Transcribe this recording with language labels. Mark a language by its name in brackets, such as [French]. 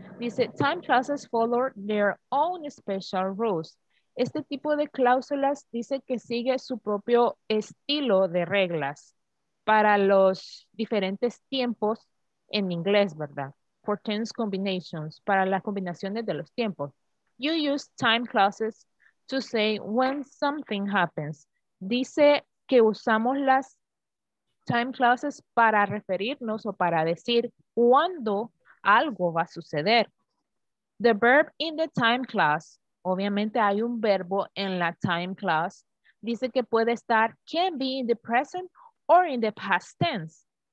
[Spanish] Dice, [English] time clauses follow their own special rules. [Spanish] Este tipo de cláusulas dice que sigue su propio estilo de reglas para los diferentes tiempos en inglés, ¿verdad? [English] For tense combinations, [Spanish] para las combinaciones de los tiempos. [English] You use time clauses to say when something happens. [Spanish] Dice que usamos las time clauses para referirnos o para decir cuándo algo va a suceder. The verb in the time clause, obviamente hay un verbo en la time clause, dice que puede estar, [English] can be in the present or in the past tense.